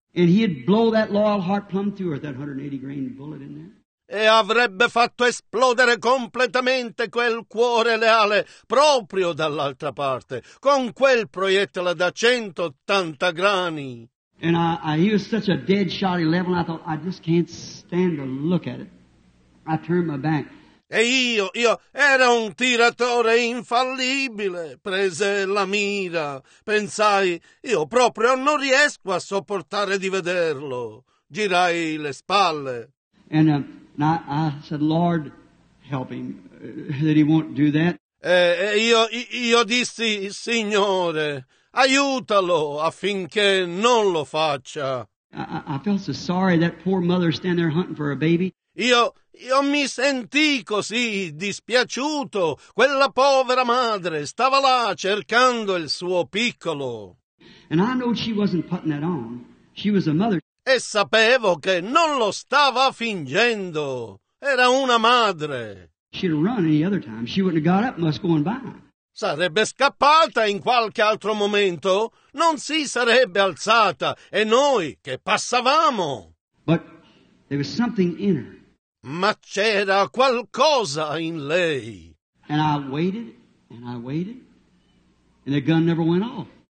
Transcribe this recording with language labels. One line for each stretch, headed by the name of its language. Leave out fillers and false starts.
English: And he'd blow that loyal heart plumb through with that 180 grain bullet in there.
Italian: E avrebbe fatto esplodere completamente quel cuore leale proprio dall'altra parte, con quel proiettile da 180 grani.
English: And he was such a dead shot, 11, I thought, I just can't stand to look at it. I turned my back.
Italian: E io ero un tiratore infallibile, prese la mira. Pensai, io proprio non riesco a sopportare di vederlo. Girai le spalle.
English: And I said, Lord, help him, that he won't do that.
Italian: Io dissi, Signore, aiutalo affinché non lo faccia.
English: I felt so sorry that poor mother stand there hunting for a baby.
Italian: Io mi sentì così dispiaciuto. Quella povera madre stava là cercando il suo piccolo.
English: And I know she wasn't putting that on. She was a mother.
Italian: E sapevo che non lo stava fingendo. Era una madre.
English: She'd run any other time. She wouldn't have got up and was going by.
Italian: Sarebbe scappata in qualche altro momento. Non si sarebbe alzata. E noi che passavamo.
English: But there was something in her.
Italian: Ma c'era qualcosa in lei.
English: And I waited, and I waited, and the gun never went off.